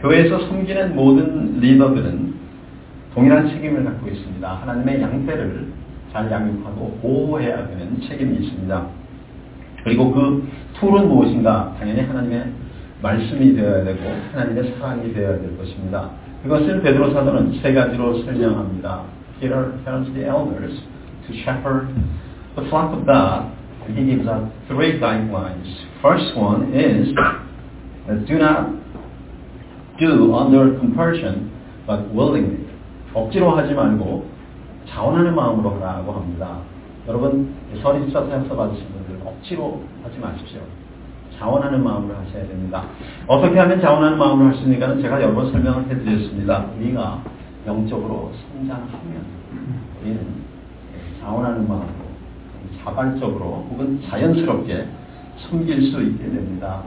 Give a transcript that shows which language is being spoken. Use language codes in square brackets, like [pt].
[ko] 교회에서 섬기는 모든 리더들은 동일한 책임을 갖고 있습니다. 하나님의 양떼를 잘 양육하고 보호해야 되는 책임이 있습니다. 그리고 그 툴은 무엇인가? 당연히 하나님의 말씀이 되어야 되고 하나님의 사랑이 되어야 될 것입니다. 그것을 베드로 사도는 세 가지로 설명합니다. [en] Peter tells the elders to shepherd the flock of God. He gives us three guidelines. First one is, do not do under compulsion, but willingly. [ko] 억지로 하지 말고 자원하는 마음으로 하라고 합니다. 여러분, 서리집사서 받으신 분들 억지로 하지 마십시오. 자원하는 마음으로 하셔야 됩니다. 어떻게 하면 자원하는 마음으로 할 수 있는가는 제가 여러 번 설명을 해드렸습니다. 우리가 영적으로 성장하면 우리는 자원하는 마음으로 자발적으로 혹은 자연스럽게 섬길 수 있게 됩니다.